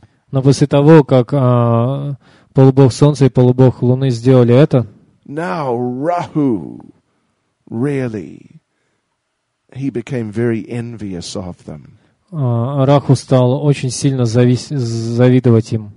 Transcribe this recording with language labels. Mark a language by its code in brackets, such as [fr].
[ru] Но после того, как полубог солнца и полубог луны сделали это, [en] now Rahu really he became very envious of them. [ru] Раху стал очень сильно завидовать им.